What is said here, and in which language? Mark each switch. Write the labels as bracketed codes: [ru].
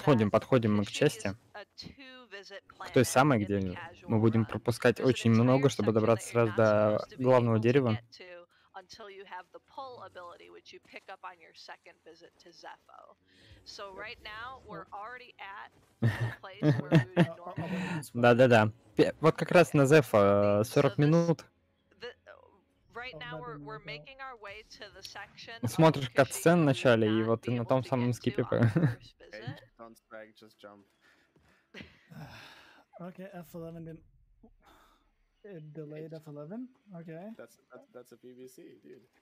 [ru] Подходим мы к части, к той самой, где мы будем пропускать очень много, чтобы добраться сразу до главного дерева. [en] Until you have the pull ability, which you pick up on your second visit to Zepho. So right now we're already at the place where we would normally. [ru] Да-да-да. Вот как раз на Зефа 40 минут. [en] Right now we're making our way to the section. [ru] Смотришь катсцен в начале, и вот на том самом скипе. [en] Okay, F11 then. It delayed F11. Okay. That's a PVC, dude.